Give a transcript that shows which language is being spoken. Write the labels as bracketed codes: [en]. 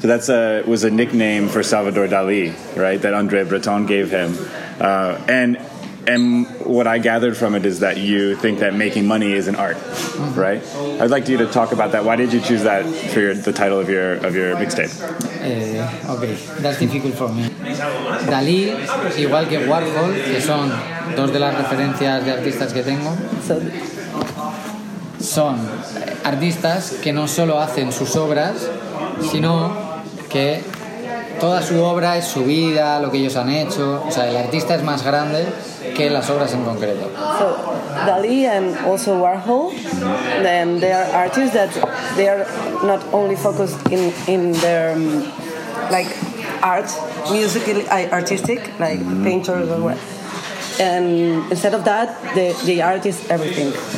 [en] So that's was a nickname for Salvador Dali, right, that André Breton gave him. And And what I gathered from it is that you think that making money is an art, mm-hmm. right? I'd like you to talk about that. Why did you choose that for the title of your mixtape? Okay, that's difficult for me. [es] Dalí, igual que Warhol, que son dos de las referencias de artistas que tengo, son artistas que no solo hacen sus obras, sino que toda su obra es su vida, lo que ellos han hecho. O sea, el artista es más grande que las obras en concreto. [en] So, Dalí and also Warhol, then they are artists that they are not only focused in their like art, musically artistic, like mm-hmm. painters or what. And instead of that, the art is everything.